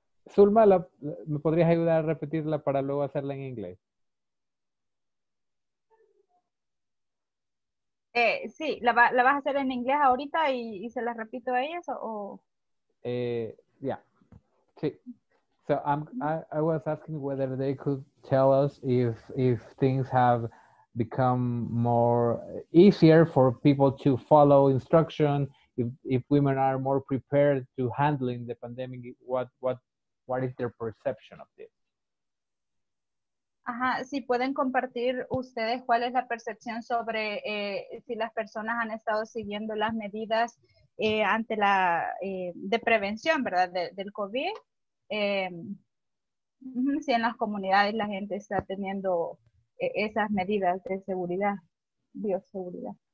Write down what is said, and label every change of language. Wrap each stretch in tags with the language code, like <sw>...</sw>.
<es>Zulma, ¿me podrías ayudar a repetirla para luego hacerla en inglés? Sí, ¿la vas a hacer en inglés ahorita y se la repito a ellas o...? Sí.</es> <en>So I was asking whether they could tell us if things have become more easier for people to follow instruction, if women are more prepared to handling the pandemic, what is their perception of this?</en> <es>Ajá, si pueden compartir ustedes cuál es la percepción sobre si las personas han estado siguiendo las medidas ante la de prevención, ¿verdad? Del COVID. Si en las comunidades la gente está teniendo esas medidas de seguridad, bioseguridad.</es>